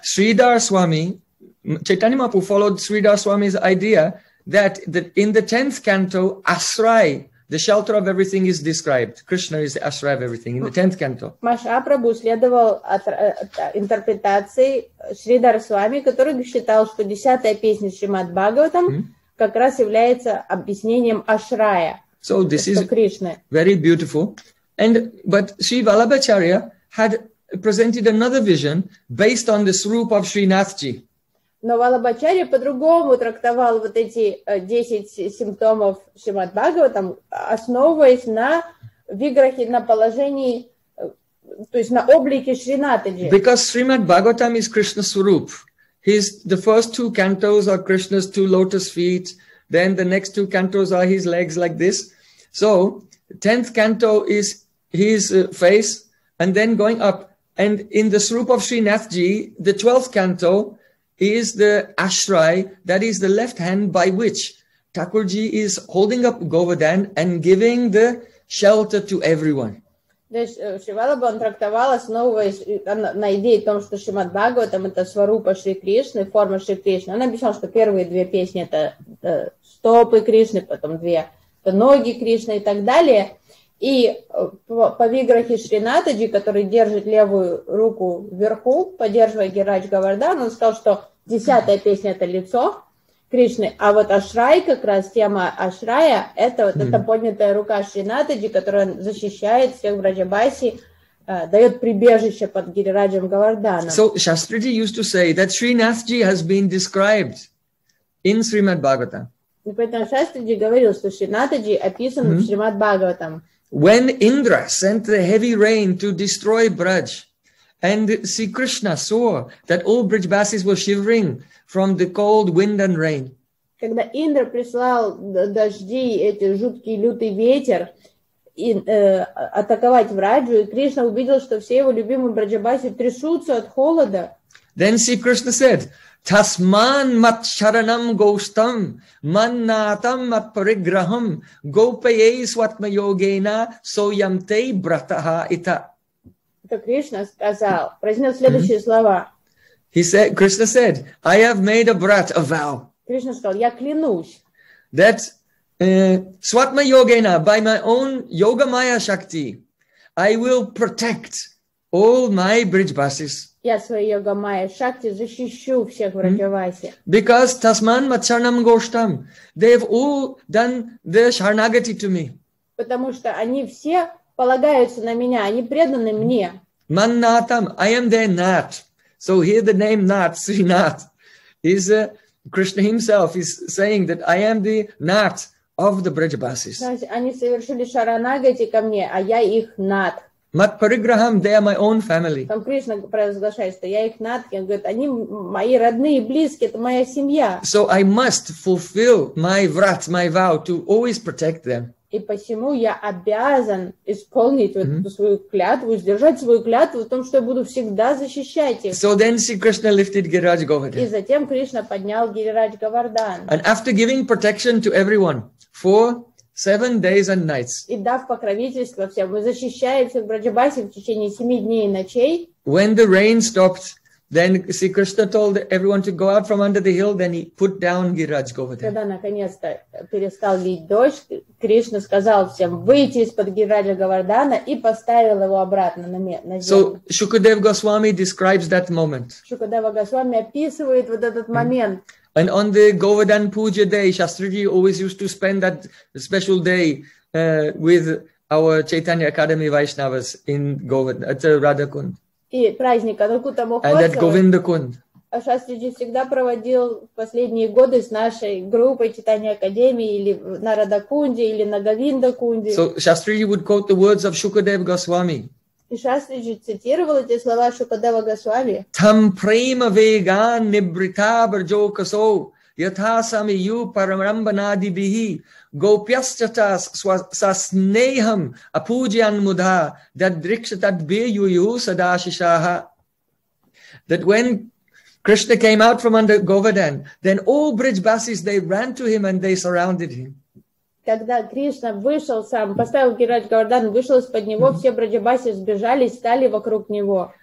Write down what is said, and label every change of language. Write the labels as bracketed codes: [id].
[en] Sridhar Swami, Chaitanya Mahaprabhu followed Sridhar Swami's idea that in the 10th canto, Asrai, the shelter of everything is described. Krishna is the Asrai of everything in the 10th canto. [ru] Mahaprabhu следовал интерпретации Sridhar Swami, который считал, что 10-я песня Шримад Бхагаватам как раз является объяснением Ашрая. [en] So this is very beautiful. And but Sri Vallabhacharya had presented another vision based on the sroop of Srinathji. [ru] Но Валабхачарья по-другому трактовал вот эти 10 симптомов Шримад-Бхагаватам, основываясь на виграхе, на положении, то есть на облике Шринатхи. [en] Because Шримад-Бхагаватам is Krishna's swarup. His the first two cantos are Krishna's two lotus feet, then the next two cantos are his legs like this. So, 10th canto is his face and then going up. And in the swarup of Srinathji, the 12th canto is the ashray, that is the left hand by which Thakurji is holding up Govardhan and giving the shelter to everyone. [ru] Шривалабха он трактовал, основываясь на идее о том, что Шримад Бхагаватам это сварупа Шри Кришны, форма Шри Кришны. Он объяснял, что первые две песни это стопы Кришны, потом две это ноги Кришны и так далее. И по виграхе Шринатхи, который держит левую руку вверху, поддерживая Гирадж Говардан, он сказал, что десятая песня это лицо Кришны, а вот Ашрай, как раз тема Ашрая, это вот эта поднятая рука Шринатхи, которая защищает всех в Раджабаси, дает прибежище под Гирираджем Говарданом. [en] So Shastriji used to say that Srinathji has been described in Srimad Bhagavatam. [ru] И поэтому Shastriji говорил, что Шринатхи описан в Шримад Бхагаватам. [en] When Indra sent the heavy rain to destroy Braj, and Sri Krishna saw that all Brajbasis were shivering from the cold wind and rain. [ru] Когда Индра прислал дожди, эти жуткий лютый ветер, и атаковать Враджу, и Кришна увидел, что все его любимые Брджабаси трясутся от холода. [en] Then Sri Krishna said, [sa] Tasman mat charanam goshtam, mannatam mat parigraham, gopaye swatma yogena, soyam te brataha ita. [ru] То Кришна сказал, произнес следующие слова. [en] He said, Krishna said, I have made a brat a vow. [ru] Кришна сказал, я клянусь. [en] That swatma yogena, by my own yoga maya shakti, I will protect all my brijbasis. [ru] Я своей йога майя шакти защищу всех в Раджавасе. [en] Because [sa] tasman matcharnam goshtam, [en] they have all done their sharnagati to me. [ru] Потому что они все полагаются на меня, они преданы мне. [en] Mannatam, I am their nat. So here the name nat, Srinath, is Krishna himself is saying that I am the nat of the Brajabasis. [ru] Они совершили шаранагати ко мне, а я их нат. [sa] Мат Париграхам, [en] they are my own family. [ru] Там Кришна провозглашает, что я их нат, он говорит, они мои родные, близкие, это моя семья. [en] So I must fulfill my vrat, my vow to always protect them. [ru] И посему я обязан исполнить вот эту свою клятву, сдержать свою клятву в том, что я буду всегда защищать их. [en] So then Sri Krishna lifted Giriraj Govardhan. [ru] И затем Кришна поднял Гирирадж Говардан. [en] And after giving protection to everyone for 7 days and nights. [ru] И дав покровительство всем, мы защищаем всех Браджабаси в течение 7 дней и ночей. [en] When the rain stopped, then Sri Krishna told everyone to go out from under the hill, then he put down Giriraj Govardhan. [ru] Когда наконец-то перестал лить дождь, Кришна сказал всем выйти из-под Гирираджа Говардана и поставил его обратно на землю. [en] So Shukadeva Goswami describes that moment. [ru] Shukadeva Goswami описывает вот этот момент. [en] And on the Govardhan Puja day, Shastriji always used to spend that special day with our Chaitanya Academy Vaishnavas in Govardhan, at Radhakund. [ru] И праздник Анукута Мохотсава. [en] And at Govindakund. [ru] А Шастриджи всегда проводил последние годы с нашей группой Читания Академии или на Радакунде, или на Говиндакунде. [en] So Shastriji would quote the words of Shukadeva Goswami. [ru] И Шастриджи цитировал эти слова Шукадева Госвами. [sa] Там према веган небрита брджо косо, ята сами ю парамрамбанади бихи, гопьясчата са снейхам апуджиан мудха, дад дрикшатад бе ю ю садашишаха. [en] That when Krishna came out from under Govardhan, then all Brijbasis, they ran to him and they surrounded him. [ru] Когда Кришна вышел сам, поставил Гирирадж Говардан, вышел из-под него, все Брджабаси сбежали, стали вокруг него.